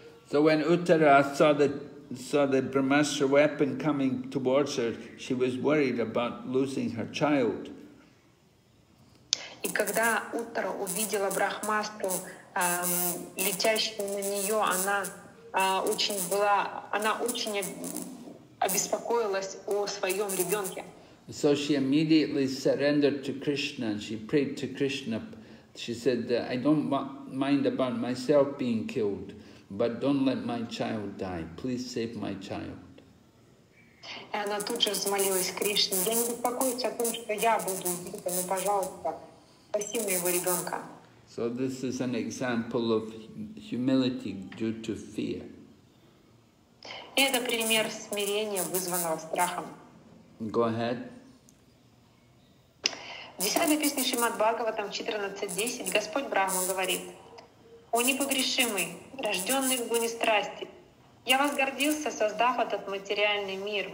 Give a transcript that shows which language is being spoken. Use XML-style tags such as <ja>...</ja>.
<en>So when Uttara saw the Brahmastra weapon coming towards her, she was worried about losing her child.</en> <ru>И когда Уттара увидела Брахмастру, летящую на нее, она очень обеспокоилась о своем ребенке.</ru> <en>So she immediately surrendered to Krishna and she prayed to Krishna. She said, I don't mind about myself being killed, but don't let my child die. Please save my child.</en> <ru>Она тут же взмолилась Кришне, я не беспокоюсь о том, что я буду убита, но, пожалуйста, спаси моего ребенка.</ru> <en>So this is an example of humility due to fear.</en> <ru>Это пример смирения, вызванного страхом.</ru> <en>Go ahead.</en> <ru>В 10-й песне Шримад-Бхагаватам 14.10 Господь Брахма говорит: «О непогрешимый, рожденный в гуне страсти, я возгордился, создав этот материальный мир.</ru>